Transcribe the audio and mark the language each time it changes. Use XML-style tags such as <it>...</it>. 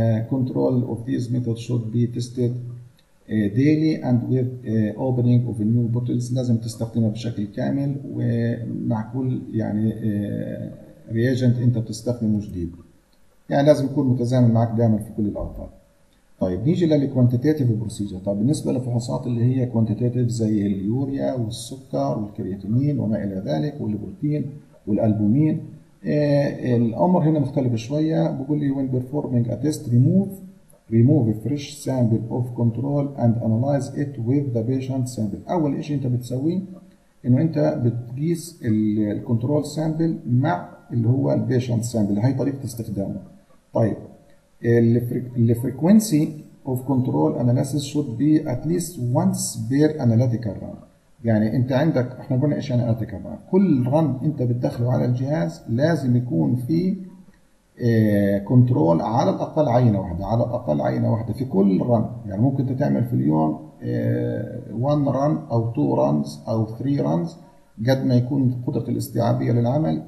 <en>Control of these methods should be tested daily and with opening of new bottles.</en> <ar>لازم تستخدمها بشكل كامل ومع كل يعني reagent انت بتستخدمه جديد، يعني لازم يكون متزامن معك دائما في كل الاوقات. طيب نيجي للكوانتيتاتيف بروسيجر. طيب بالنسبه للفحوصات اللي هي كوانتيتاتيف زي اليوريا والسكر والكرياتينين وما الى ذلك والبروتين والالبومين، الامر هنا مختلف شويه. بقول لي</ar> <en>when performing a test remove remove a fresh sample of control and analyze it with the patient sample.</en> <ar>أول إشي أنت بتسويه إنه أنت بتقيس الكنترول سامبل مع اللي هو البيشنت سامبل. هاي طريقة استخدامه. طيب الفريكوينسي</ar> <en>of control analysis should be at least once per analytical run.</en> <ar>يعني انت عندك احنا قلنا ايش يعني analytical run؟ كل run انت بتدخله على الجهاز لازم يكون في control على الاقل عينة واحدة، على الاقل عينة واحدة في كل run. يعني ممكن تتعمل في اليوم one run او two runs او three runs قد ما يكون قدرة الاستيعابية للعمل.</ar>